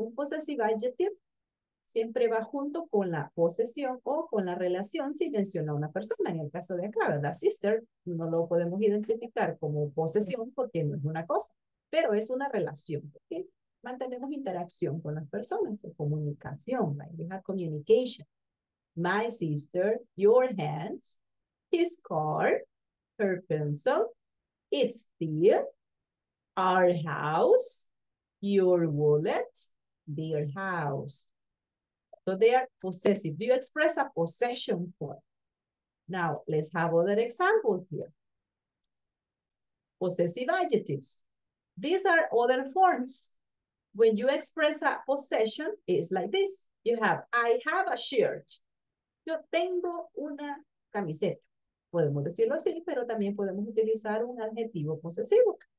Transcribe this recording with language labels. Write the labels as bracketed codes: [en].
[es] Un possessive adjective siempre va junto con la posesión o con la relación si menciona a una persona. En el caso de acá, ¿verdad? Sister, no lo podemos identificar como posesión porque no es una cosa, pero es una relación. ¿Okay? Mantenemos interacción con las personas, comunicación, right? [en] We have communication. My sister, your hands, his car, her pencil, it's still, our house, your wallet, their house. So they are possessive. You express a possession for. Now, let's have other examples here. Possessive adjectives. These are other forms. When you express a possession, it's like this. You have, I have a shirt. [es] Yo tengo una camiseta. Podemos decirlo así, pero también podemos utilizar un adjetivo posesivo.